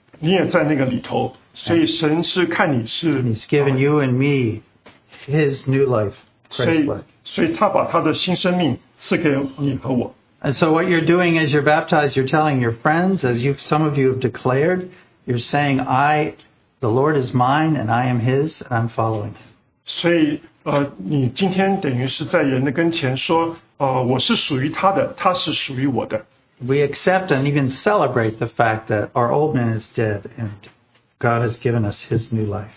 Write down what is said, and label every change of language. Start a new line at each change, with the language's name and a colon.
Chinese: 你也在那个里头，所以神是看你是。
English: He's given you and me His new life, Christ's life. And so what you're doing as you're baptized, you're telling your friends, as you, some of you have declared, you're saying, I, the Lord is mine, and I am His, and I'm following.
Chinese: 所以你今天等于是在人的跟前说，我是属于他的，他是属于我的。
English: We accept and even celebrate the fact that our old man is dead and God has given us his new life.